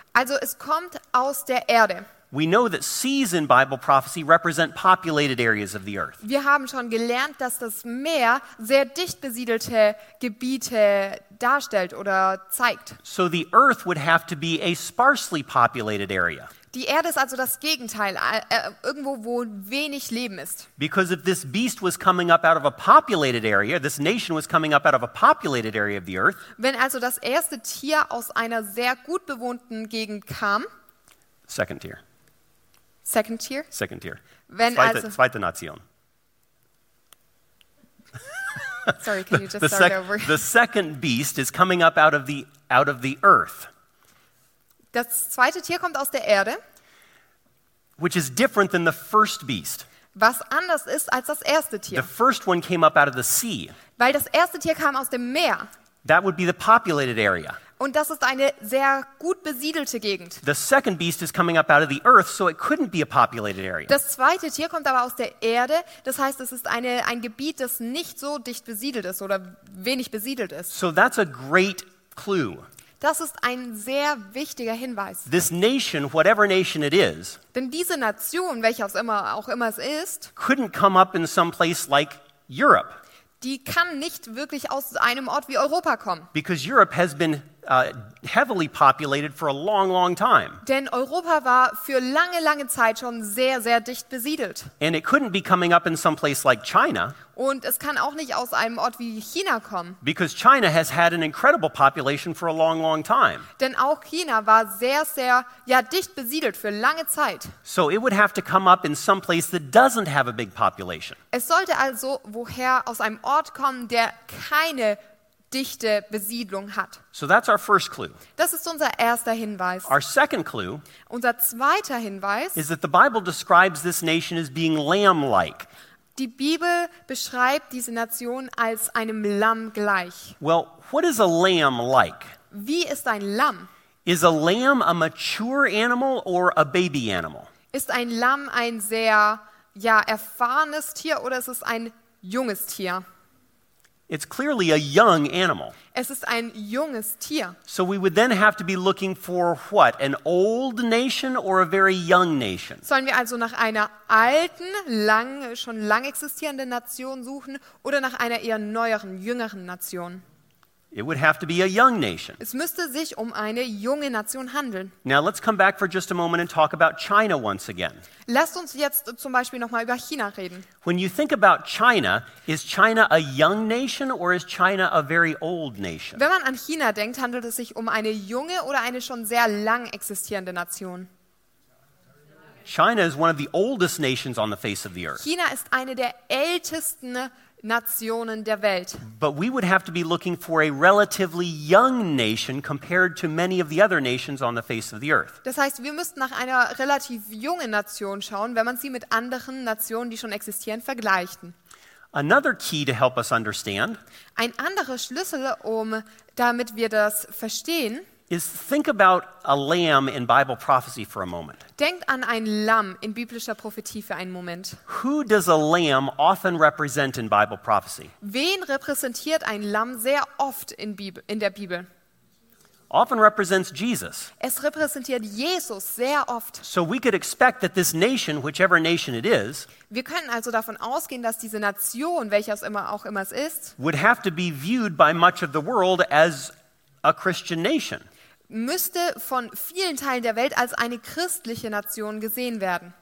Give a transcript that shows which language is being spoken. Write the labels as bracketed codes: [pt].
[de] Also es kommt aus der Erde. [en] We know that seas in Bible prophecy represent populated areas of the earth. [de] Wir haben schon gelernt, dass das Meer sehr dicht besiedelte Gebiete darstellt oder zeigt. [en] So the earth would have to be a sparsely populated area. [de] Die Erde ist also das Gegenteil, irgendwo wo wenig Leben ist. [en] Because if this beast was coming up out of a populated area, this nation was coming up out of a populated area of the earth. [de] Wenn also das erste Tier aus einer sehr gut bewohnten Gegend kam, [en] Second tier. [de] Wenn zweite Nation. [en] Sorry, can you just start over? The second beast is coming up out of the earth. [de] Das zweite Tier kommt aus der Erde. [en] Which is different than the first beast. [de] Was anders ist als das erste Tier. [en] The first one came up out of the sea. [de] Weil das erste Tier kam aus dem Meer. [en] That would be the populated area. [de] Und das ist eine sehr gut besiedelte Gegend. [en] The second beast is coming up out of the earth, so it couldn't be a populated area. [de] Das zweite Tier kommt aber aus der Erde, das heißt, es ist ein Gebiet, das nicht so dicht besiedelt ist oder wenig besiedelt ist. [en] So that's a great clue. [de] Das ist ein sehr wichtiger Hinweis. [en] This nation, whatever nation it is, [de] denn diese Nation, welche auch immer es ist, [en] couldn't come up in some place like Europe. [de] Die kann nicht wirklich aus einem Ort wie Europa kommen. [en] Because Europe has been heavily populated for a long, long time. [de] Denn Europa war für lange, lange Zeit schon sehr, sehr dicht besiedelt. [en] And it couldn't be coming up in some place like China. [de] Und es kann auch nicht aus einem Ort wie China kommen. [en] Because China has had an incredible population for a long, long time. [de] Denn auch China war sehr, sehr dicht besiedelt für lange Zeit. [en] So it would have to come up in some place that doesn't have a big population. [de] Es sollte also woher aus einem Ort kommen, der keine dichte Besiedlung hat. [en] So that's our first clue. [de] Das ist unser erster Hinweis. [en] Our second clue. [de] Unser zweiter Hinweis. [en] Is that the Bible describes this nation as being lamb-like. [de] Die Bibel beschreibt diese Nation als einem Lamm gleich. [en] Well, what is a lamb like? [de] Wie ist ein Lamm? [en] Is a lamb a mature animal or a baby animal? [de] Ist ein Lamm ein sehr erfahrenes Tier oder ist es ein junges Tier? [en] It's clearly a young animal. [de] Es ist ein junges Tier. [en] So we would then have to be looking for what? An old nation or a very young nation? [de] Sollen wir also nach einer alten, schon lang existierenden Nation suchen oder nach einer eher neueren, jüngeren Nation? [en] It would have to be a young nation. [de] Es müsste sich um eine junge Nation handeln. [en] Now let's come back for just a moment and talk about China once again. [de] Lasst uns jetzt zum Beispiel noch mal über China reden. [en] When you think about China, is China a young nation or is China a very old nation? [de] Wenn man an China denkt, handelt es sich um eine junge oder eine schon sehr lang existierende Nation? [en] China is one of the oldest nations on the face of the earth. [de] China ist eine der ältesten Nationen der Welt. [en] But we would have to be looking for a relatively young nation compared to many of the other nations on the face of the earth. [de] Das heißt, wir müssten nach einer relativ jungen Nation schauen, wenn man sie mit anderen Nationen, die schon existieren, vergleicht. [en] Another key to help us understand. [de] Ein anderer Schlüssel, damit wir das verstehen, [en] is think about a lamb in Bible prophecy for a moment. [de] Denkt an ein Lamm in biblischer Prophetie für einen Moment. [en] Who does a lamb often represent in Bible prophecy? [de] Wen repräsentiert ein Lamm sehr oft in der Bibel? [en] Often represents Jesus. [de] Es repräsentiert Jesus sehr oft. [en] So we could expect that this nation, whichever nation it is, [de] wir können also davon ausgehen, dass diese Nation, welche auch immer es ist, [en] would have to be viewed by much of the world as a Christian nation. [de] Müsste von vielen Teilen der Welt als eine christliche Nation gesehen werden.